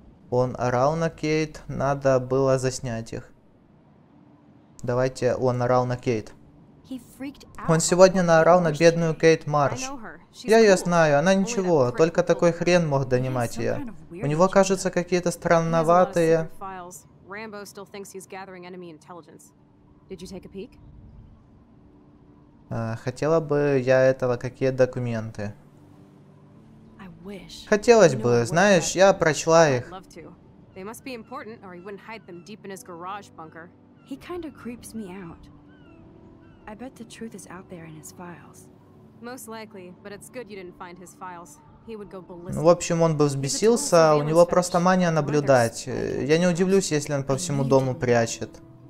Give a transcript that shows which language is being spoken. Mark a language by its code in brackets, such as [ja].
[ru] Он орал на Кейт, надо было заснять их. Давайте, он орал на Кейт. Он сегодня наорал на бедную Кейт Марш. Я ее знаю, она ничего, только такой хрен мог донимать ее. У него, кажется, какие-то странноватые... [en] Рэмбо still thinks he's gathering enemy intelligence. Did you take a peek? [ru] Хотела бы я этого, какие документы? Хотелось бы, знаешь, я прочла их. [en] They must be important, or he wouldn't hide them deep in his garage bunker. He kind of creeps me out. I bet the truth is out there in his files. Most likely, but it's good you didn't find his files. [ru] Ну, в общем, он бы взбесился, у него просто мания наблюдать. Я не удивлюсь, если он по всему дому прячет.